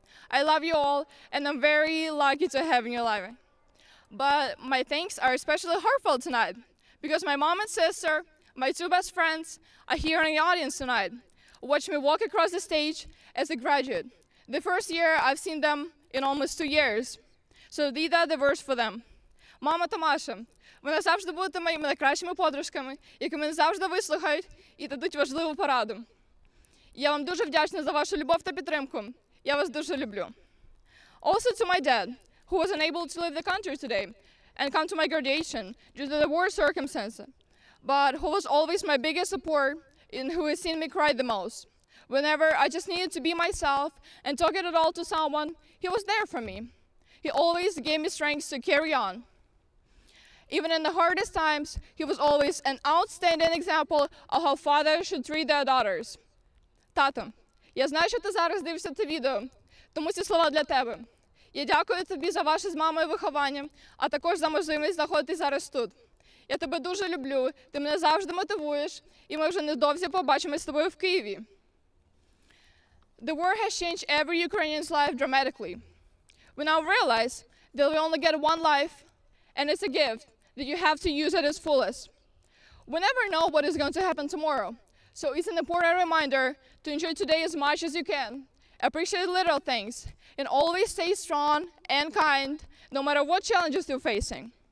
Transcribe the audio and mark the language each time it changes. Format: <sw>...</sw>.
<en>I love you all, and I'm very lucky to have you alive. But my thanks are especially heartfelt tonight, because my mom and sister, my two best friends, are here in the audience tonight, watching me walk across the stage as a graduate. The first year I've seen them in almost 2 years. So these are the words for them.</en> <uk>Мама та Маша, вони завжди будуть моїми найкращими подружками, які мене завжди вислухають і дадуть важливу пораду. Я вам дуже вдячна за вашу любов та підтримку. Я вас дуже люблю.</uk> <en>Also to my dad, who was unable to leave the country today and come to my graduation due to the war circumstances, but who was always my biggest support and who has seen me cry the most. Whenever I just needed to be myself and talk it all to someone, he was there for me. He always gave me strength to carry on. Even in the hardest times, he was always an outstanding example of how fathers should treat their daughters.</en> <uk>Тато, я знаю, що ти зараз дивишся це відео, тому ці слова для тебе. Я дякую тобі за ваше з мамою виховання, а також за можливість знаходитися зараз тут. Я тебе дуже люблю, ти мене завжди мотивуєш, і ми вже недовзі побачимось з тобою в Києві.</uk> <en>The war has changed every Ukrainian's life dramatically. We now realize that we only get one life, and it's a gift that you have to use at its fullest. We never know what is going to happen tomorrow, so it's an important reminder to enjoy today as much as you can, appreciate little things, and always stay strong and kind, no matter what challenges you're facing.</en>